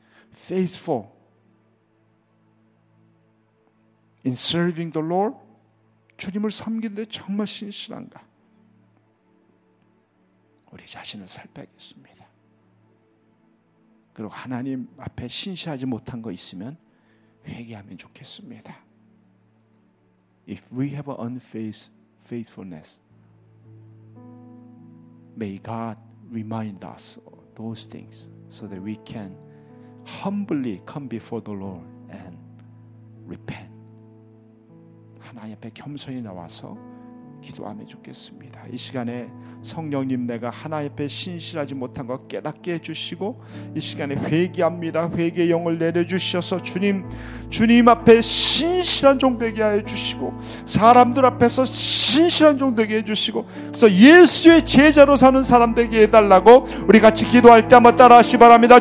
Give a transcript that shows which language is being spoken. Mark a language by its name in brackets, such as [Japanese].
[English] Faithful in serving the Lord? [Korean] 주님을 섬기는데 정말 신실한가? 우리 자신을 살펴야겠습니다. 그리고 하나님 앞에 신실하지 못한 거 있으면 회개하면 좋겠습니다. [English] If we have an unfaithfulness, may God remind us of those things so that we can humbly come before the Lord and repent. [Korean] 하나님 앞에 겸손히 나와서 기도하면 좋겠습니다. 이 시간에 성령님, 내가 하나님 앞에 신실하지 못한 것 깨닫게 해주시고, 이 시간에 회개합니다. 회개의 영을 내려주셔서 주님 앞에 신실한 종되게 해주시고, 사람들 앞에서 신실한 종되게 해주시고, 그래서 예수의 제자로 사는 사람 되게 해달라고 우리 같이 기도할 때 한번 따라하시 바랍니다.